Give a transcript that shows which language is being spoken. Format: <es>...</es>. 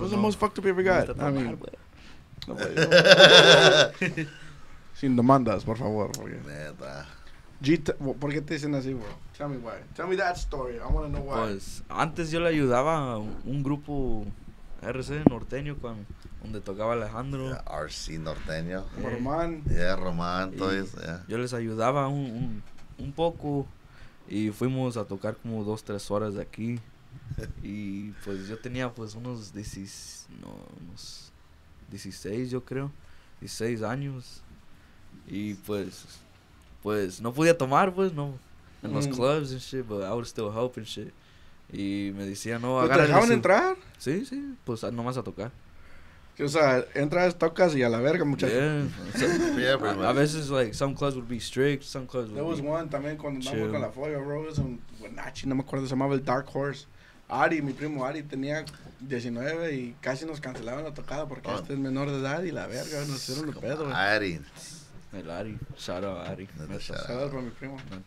<en>Was the most fucked up you ever got.</en> <es>I mean, sin demandas, por favor. Neta. ¿Por qué te dicen así, bro? Tell me why.</es> <en>Tell me that story. I want to know why.</en> <es>Pues antes yo le ayudaba a un grupo RC norteño donde tocaba Alejandro.</es> <en>Yeah, RC Norteño. Yeah. Román.</en> <es>Yeah, Román, todo eso, yeah. Yo les ayudaba un poco y fuimos a tocar como 2-3 horas de aquí. Y pues yo tenía pues unos 16, yo creo, 16 años. Y pues no podía tomar, pues, no, en los clubs and shit, but I would still help and shit. Y me decía, no, agárrate. ¿Te dejaban entrar? Sí, sí, pues nomás a tocar. O sea, entras, tocas y a la verga, muchachos.</es> <en>Yeah. So, yeah, a veces, like, some clubs would be strict, some clubs would be... There was one también cuando chill.</en> <es>Andamos con la Folga, bro, es un Wenatchee, no me acuerdo, se llamaba el Dark Horse. Ari, mi primo Ari, tenía 19 y casi nos cancelaban la tocada porque este es menor de edad y la verga, nos hicieron los pedos. Ari.</es> <en>El Ari, shout out Ari.</en> <es>Shout out para mi primo.</es>